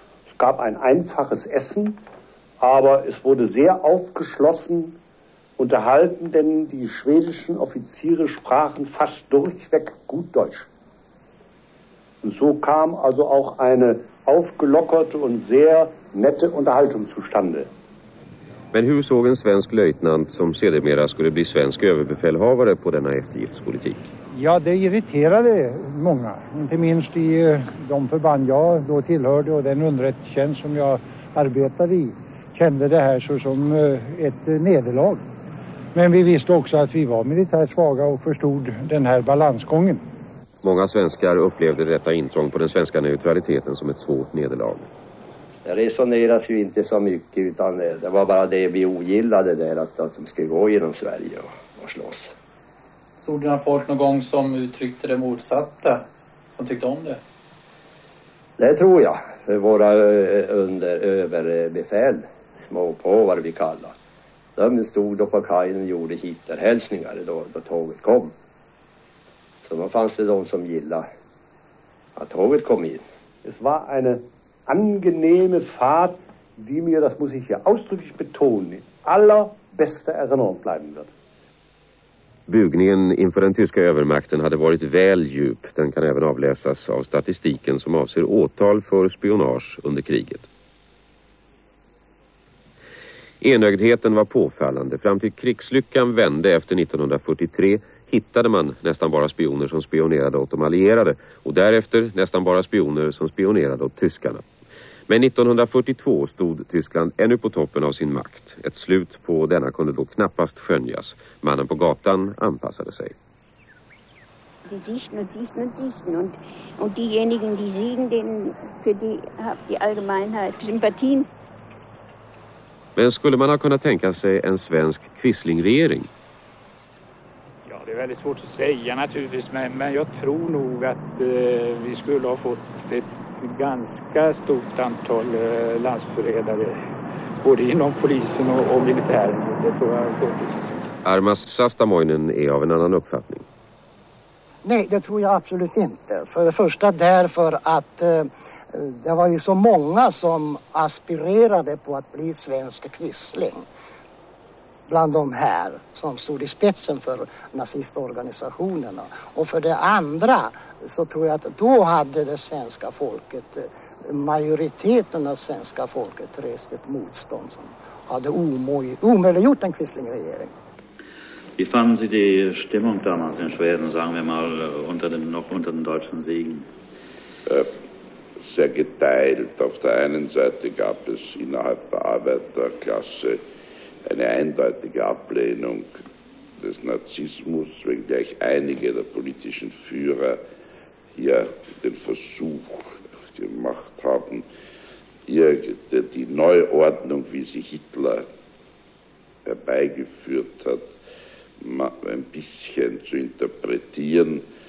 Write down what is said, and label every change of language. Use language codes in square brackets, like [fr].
[de] Es gab ein einfaches Essen, aber es wurde sehr aufgeschlossen unterhalten, denn die schwedischen Offiziere sprachen fast durchweg gut Deutsch. Und so kam also auch eine aufgelockerte und sehr nette Unterhaltung zustande. [sv] Men hur såg en svensk löjtnant som sedermera skulle bli svensk överbefälhavare på denna eftergiftspolitik? Ja, det irriterade många. Inte minst i de förband jag då tillhörde och den underrättelsetjänst som jag arbetade i kände det här såsom ett nederlag. Men vi visste också att vi var militärt svaga och förstod den här balansgången. Många svenskar upplevde detta intrång på den svenska neutraliteten som ett svårt nederlag. Det resoneras ju inte så mycket, utan det var bara det vi ogillade där, att de skulle gå genom Sverige och slåss. Såg du folk någon gång som uttryckte det motsatta, som tyckte om det? Det tror jag. För våra överbefäl, småpåvar vi kallar. De stod på kajen och gjorde hitlerhälsningar då tåget kom. Så då fanns det de som gillade att tåget kom in. Det var en [de] angenehme Fahrt, die mir, das muss ich hier ausdrücklich betonen, in allerbester Erinnerung bleiben wird. [sv] Bugningen inför den tyska övermakten hade varit väl djup. Den kan även avläsas av statistiken som avser åtal för spionage under kriget. Enögdheten var påfallande. Fram till krigslyckan vände efter 1943 hittade man nästan bara spioner som spionerade åt de allierade och därefter nästan bara spioner som spionerade åt tyskarna. Men 1942 stod Tyskland ännu på toppen av sin makt. Ett slut på denna kunde då knappast skönjas. Mannen på gatan anpassade sig. [de] Die sichten und sichten und sichten und diejenigen, die siegen, für die Allgemeinheit Sympathien. [sv] Men skulle man ha kunnat tänka sig en svensk quislingregering? Ja, det är väldigt svårt att säga naturligtvis, men jag tror nog att vi skulle ha fått det ganska stort antal landsförrädare både inom polisen och militären. Det tror jag så. Armas Sastamoinen är av en annan uppfattning. Nej, det tror jag absolut inte. För det första därför att det var ju så många som aspirerade på att bli svensk quisling. Bland de här som stod i spetsen för nazistorganisationerna. Och för det andra så tror jag att då hade det svenska folket, majoriteten av svenska folket, rest ett motstånd som hade omöjliggjort en quislingregering. [de] Wie fanden Sie die Stimmung damals in Schweden, sagen wir mal, unter den deutschen Siegen? sehr geteilt. Auf der einen Seite gab es innerhalb der Arbeiterklasse eine eindeutige Ablehnung des Nazismus, wenngleich einige der politischen Führer hier den Versuch gemacht haben, die Neuordnung, wie sie Hitler herbeigeführt hat, ein bisschen zu interpretieren.